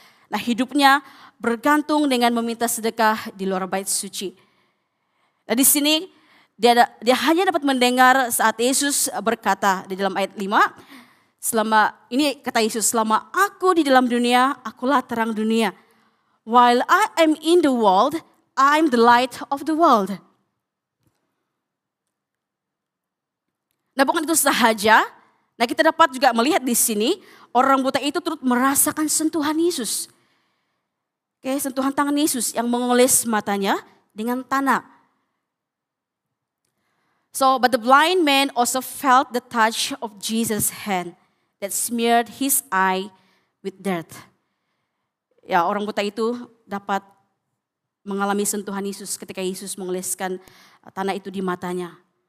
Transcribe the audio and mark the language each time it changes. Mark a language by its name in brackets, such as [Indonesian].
[Malay] Nah, hidupnya bergantung dengan meminta sedekah di luar bait suci. Nah, di sini dia hanya dapat mendengar saat Yesus berkata di dalam ayat 5, selama aku di dalam dunia, akulah terang dunia. [English] While I am in the world, I am the light of the world. [Malay] Nah, bukan itu sahaja. Nah, kita dapat juga melihat di sini orang buta itu turut merasakan sentuhan Yesus. Oke, sentuhan tangan Yesus yang mengoles matanya dengan tanah. [English] So, but the blind man also felt the touch of Jesus' hand that smeared his eye with dirt. [Malay] Ya, orang buta itu dapat mengalami sentuhan Yesus ketika Yesus mengoleskan tanah itu di matanya.